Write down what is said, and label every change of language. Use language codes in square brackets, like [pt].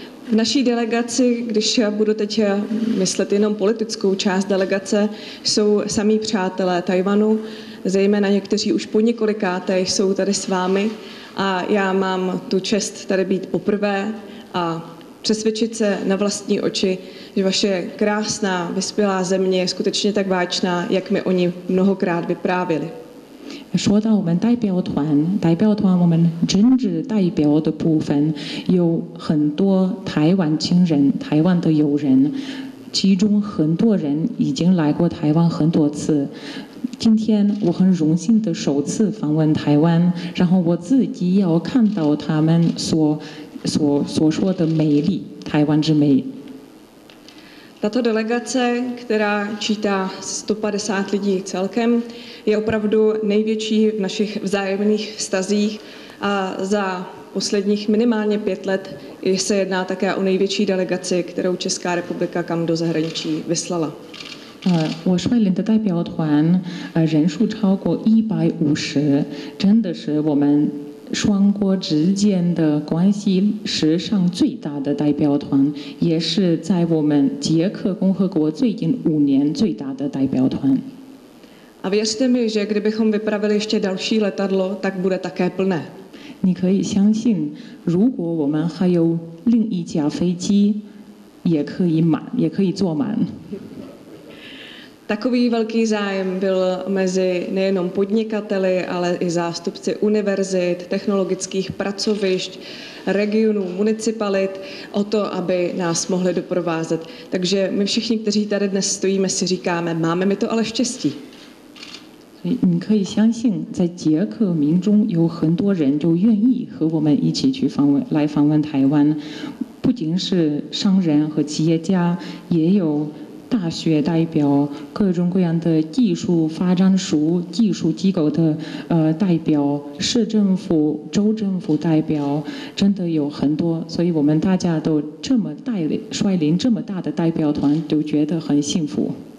[cs] V naší delegaci, když já budu teď myslet jenom politickou část delegace, jsou sami přátelé Tajvanu, zejména někteří už po několikáté jsou tady s vámi a já mám tu čest tady být poprvé a přesvědčit se na vlastní oči, že vaše krásná, vyspělá země je skutečně tak váčná, jak mi oni mnohokrát vyprávili. [zh] 说到我们代表团我们政治代表的部分有很多台湾亲人，台湾的友人，其中很多人已经来过台湾很多次，今天我很荣幸的首次访问台湾，然后我自己要看到他们所说的美丽，台湾之美。 [cs] Tato delegace, která čítá 150 lidí celkem, je opravdu největší v našich vzájemných vztazích a za posledních minimálně 5 let se jedná také o největší delegaci, kterou Česká republika kam do zahraničí vyslala. [zh] 我率领的代表团人数超过150，真的是我们双国之间的关系史上最大的代表团，也是在我们捷克共和国最近五年最大的代表团。 [cs] A věřte mi, že kdybychom vypravili ještě další letadlo, tak bude také plné. [zh] 你可以相信，如果我们还有另一架飞机，也可以满，也可以坐满。 [cs] Takový velký zájem byl mezi nejenom podnikateli, ale i zástupci univerzit, technologických pracovišť, regionů, municipalit o to, aby nás mohli doprovázet. Takže my všichni, kteří tady dnes stojíme, si říkáme, máme mi to ale štěstí. [zh] 你可以相信，在捷克民众有很多人就愿意和我们一起去访问，来访问台湾，不仅是商人和企业家，也有大学代表，各种各样的技术发展署、技术机构的代表，市政府、州政府代表，真的有很多，所以我们大家都这么率领这么大的代表团，都觉得很幸福。